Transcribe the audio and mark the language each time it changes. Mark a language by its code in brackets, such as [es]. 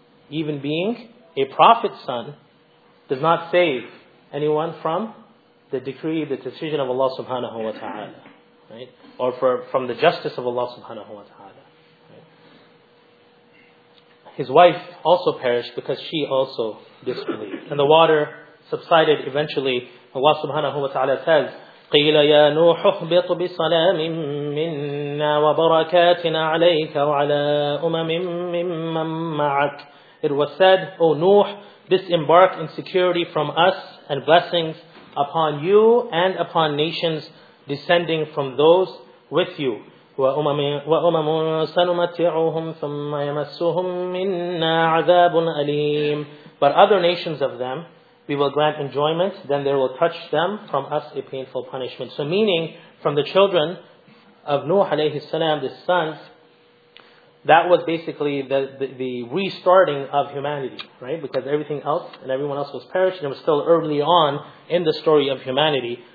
[en] Even being a prophet's son does not save anyone from the decree, the decision of Allah subhanahu wa ta'ala. Right? Or from the justice of Allah subhanahu wa ta'ala. Right? His wife also perished because she also disbelieved. And the water subsided eventually. Allah subhanahu wa ta'ala says, [ar] قِيلَ يَا نُوحُ اهْبِطْ بِسَلَامٍ مِنَّا وَبَرَكَاتٍ عَلَيْكَ وَعَلَىٰ أُمَمٍ مِّمَّنْ مَعَكَ. [en] It was said, O Nuh, disembark in security from us and blessings upon you and upon nations descending from those with you. [ar] وأمم سنمتعهم ثم يمسهم منا عذاب أليم. [en] But other nations of them, we will grant enjoyment, then there will touch them from us a painful punishment. So meaning, from the children of Nuh alayhi salam, the sons, that was basically the restarting of humanity, right? Because everything else and everyone else was perished, and it was still early on in the story of humanity.